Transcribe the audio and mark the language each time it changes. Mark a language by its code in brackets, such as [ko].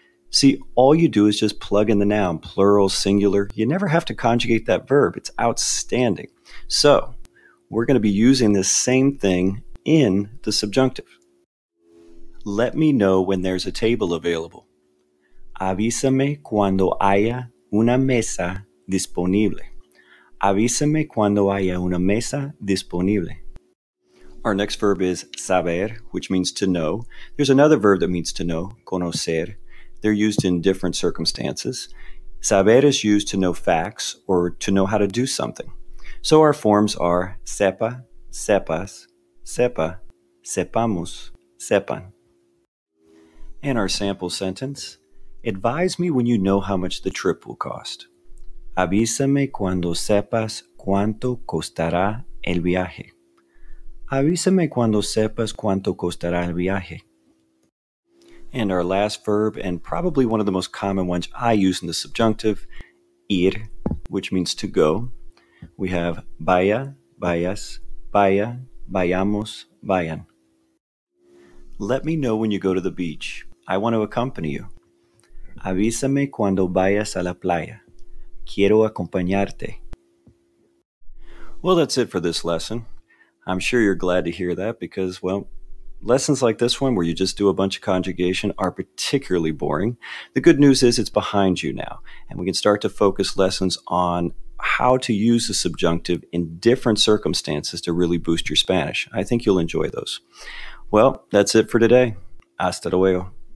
[en] See, all you do is just plug in the noun, plural, singular. You never have to conjugate that verb. It's outstanding. So, we're going to be using this same thing in the subjunctive. Let me know when there's a table available. [es] Avísame cuando haya una mesa disponible. Avísame cuando haya una mesa disponible. [en] Our next verb is saber, which means to know. There's another verb that means to know, conocer. They're used in different circumstances. Saber is used to know facts or to know how to do something. So our forms are sepa, sepas, sepa, sepamos, sepan. And our sample sentence, advise me when you know how much the trip will cost. [es] Avísame cuando sepas cuánto costará el viaje. Avísame cuando sepas cuánto costará el viaje. [en] And our last verb, and probably one of the most common ones I use in the subjunctive, ir, which means to go. We have vaya, vayas, vaya, vayamos, vayan. Let me know when you go to the beach. I want to accompany you. [es] Avísame cuando vayas a la playa. Quiero acompañarte. [en] Well, that's it for this lesson. I'm sure you're glad to hear that because, well, lessons like this one where you just do a bunch of conjugation are particularly boring. The good news is it's behind you now, and we can start to focus lessons on how to use the subjunctive in different circumstances to really boost your Spanish. I think you'll enjoy those. Well, that's it for today. [es] Hasta luego.